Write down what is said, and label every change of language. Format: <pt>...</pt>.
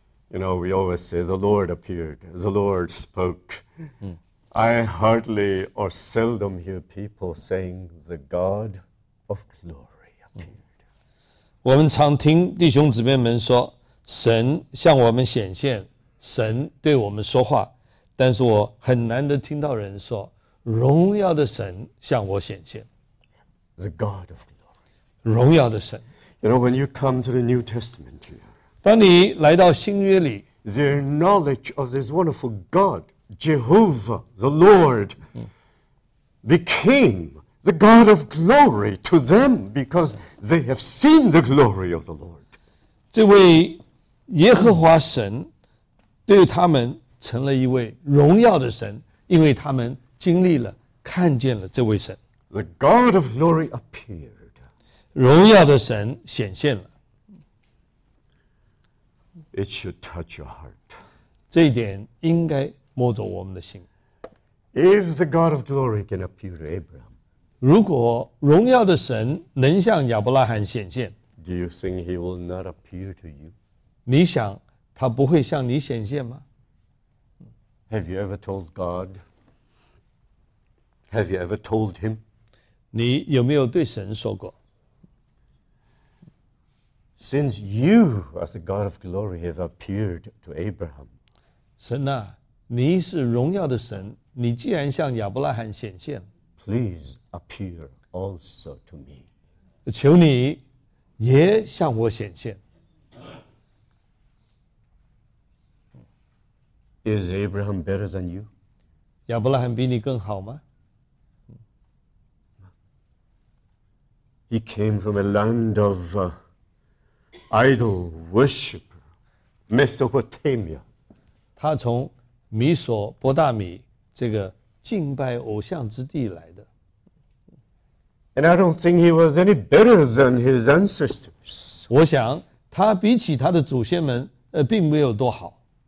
<en>You know, we always say the Lord appeared, the Lord spoke. I hardly or seldom hear people saying the God of glory appeared.</en> <zh>我们常听弟兄姊妹们说神向我们显现，神对我们说话，但是我很难的听到人说荣耀的神向我显现。</zh> <en>The God of glory.</en> <zh>荣耀的神。</zh> <en>You know, when you come to the New Testament here,</en> <zh>当你来到新约里，</zh> <en>the knowledge of this wonderful God, Jehovah, the Lord, became the God of glory to them because they have seen the glory of the Lord.</en> <zh>这位耶和华神对他们成了一位荣耀的神，因为他们经历了看见了这位神。</zh> <en>The God of glory appeared.</en> <zh>荣耀的神显现了。</zh> <en>It should touch your heart.</en> <zh>这一点应该摸着我们的心。</zh> <en>If the God of glory can appear to Abraham,</en> <zh>如果荣耀的神能向亚伯拉罕显现，</zh> <en>Do you think he will not appear to you?</en> <zh>你想他不会向你显现吗？</zh> <en>Have you ever told God? Have you ever told him?</en> <zh>你有没有对神说过？</zh> <en>Since you as the God of glory have appeared to Abraham,</en> <zh>神啊，你是荣耀的神，你既然向亚伯拉罕显现，</zh> <en>Please appear also to me.</en> <zh>求你也向我显现。</zh> <en>Is Abraham better than you?</en> <zh>亚伯拉罕比你更好吗？</zh> <en>He came from a land of idol worship, Mesopotamia.</en> <zh>他从米索波大米这个敬拜偶像之地来的。</zh> <en>And I don't think he was any better than his ancestors.</en> <zh>我想他比起他的祖先们并没有多好。</zh>